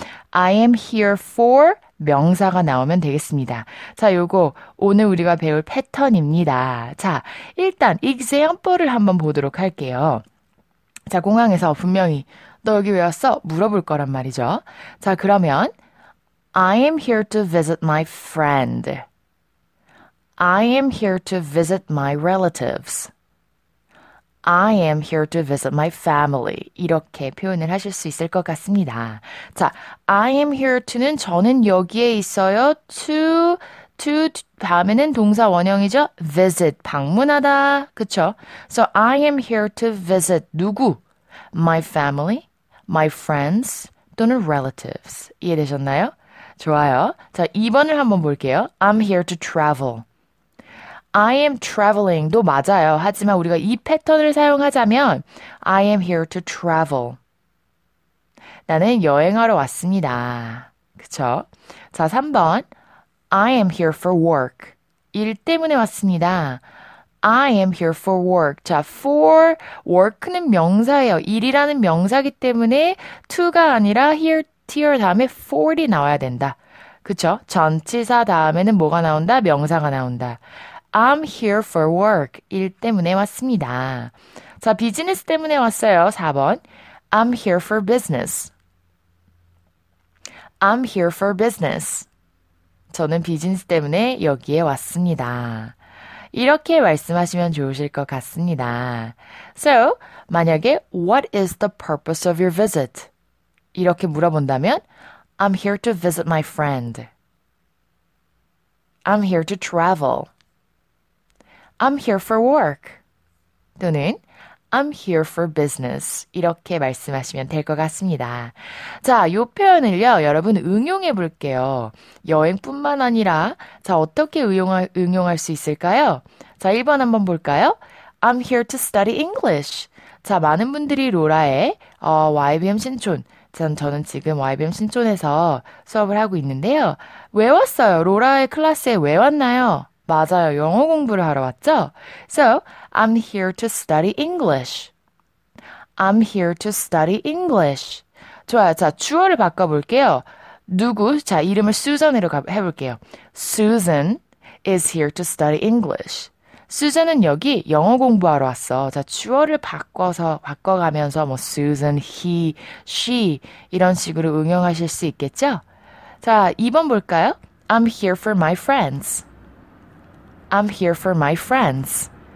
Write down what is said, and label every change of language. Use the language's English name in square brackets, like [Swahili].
[English] I am here for [Korean] 명사가 나오면 되겠습니다. 자, 요거 오늘 우리가 배울 패턴입니다. 자, 일단 example을 한번 보도록 할게요. 자, 공항에서 분명히 너 여기 왜 왔어? 물어볼 거란 말이죠. [English] 자, 그러면 I am here to visit my friend. I am here to visit my relatives. I am here to visit my family. [Korean] 이렇게 표현을 하실 수 있을 것 같습니다. 자, [English] I am here to [Korean] 는 저는 여기에 있어요. To 다음에는 동사 원형이죠. Visit 방문하다. 그쵸? [English] So I am here to visit [Korean] 누구? [English] My family. My friends 또는 relatives. [Korean] 이해되셨나요? 좋아요. 자, 2번을 한번 볼게요. [English] I'm here to travel. I am traveling도 맞아요. [Korean] 하지만 우리가 이 패턴을 사용하자면 [English] I am here to travel. [Korean] 나는 여행하러 왔습니다. 그쵸? 자, 3번. [English] I am here for work. [Korean] 일 때문에 왔습니다. [English] I am here for work. [Korean] 자, for work는 명사예요. 일이라는 명사기 때문에 to가 아니라 here 다음에 for이 나와야 된다. 그쵸? 전치사 다음에는 뭐가 나온다? 명사가 나온다. [English] I'm here for work. [Korean] 일 때문에 왔습니다. 자, 비즈니스 때문에 왔어요. [English] 4번. I'm here for business. I'm here for business. [Korean] 저는 비즈니스 때문에 여기에 왔습니다. 이렇게 말씀하시면 좋으실 것 같습니다. [English] So, [Korean] 만약에 [English] What is the purpose of your visit? [Korean] 이렇게 물어본다면 [English] I'm here to visit my friend. I'm here to travel. I'm here for work. [Korean] 또는 [English] I'm here for business. [Korean] 이렇게 말씀하시면 될것 같습니다. 자, 요 표현을요, 여러분 응용해 볼게요. 여행뿐만 아니라, 자, 어떻게 응용할 수 있을까요? 자, 1번 한번 볼까요? [English] I'm here to study English. [Korean] 자, 많은 분들이 로라의, YBM 신촌. 저는 지금 YBM 신촌에서 수업을 하고 있는데요. 왜 왔어요? 로라의 클래스에 왜 왔나요? 맞아요. 영어 공부를 하러 왔죠? [English] So, I'm here to study English. I'm here to study English. [Korean] 좋아요. 자, 주어를 바꿔볼게요. 누구? 자, 이름을 Susan으로 해볼게요. [English] Susan is here to study English. [Korean] Susan은 여기 영어 공부하러 왔어. 자, 주어를 바꿔가면서 뭐 Susan, he, she 이런 식으로 응용하실 수 있겠죠? [English] 자, 2번 볼까요? I'm here for my friends. I'm here for my friends.